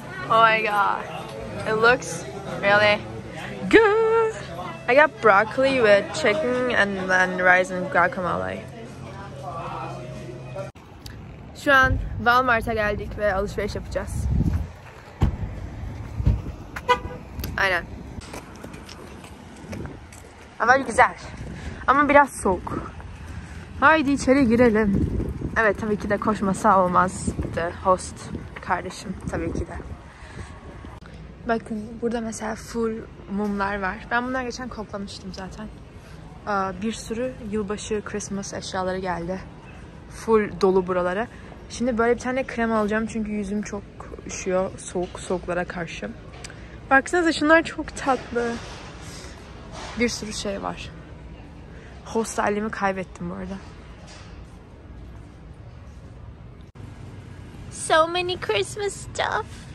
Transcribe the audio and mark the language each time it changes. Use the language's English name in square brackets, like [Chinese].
[English] Oh my god, it looks really good. I got broccoli with chicken and then rice and guacamole. [Turkish] Şu an Walmart'a geldik ve alışveriş yapacağız. Aynen. Ama güzel. Ama biraz soğuk. Haydi içeri girelim. Evet tabii ki de koşmasa olmazdı host kardeşim tabii ki de. Bakın burada mesela full mumlar var. Ben bunları geçen koklamıştım zaten. Bir sürü yılbaşı Christmas eşyaları geldi. Full dolu buralara. Şimdi böyle bir tane krem alacağım çünkü yüzüm çok üşüyor soğuklara karşı. Baksanıza şunlar çok tatlı. Bir sürü şey var. Hostelimi kaybettim bu arada. [English] So many Christmas stuff.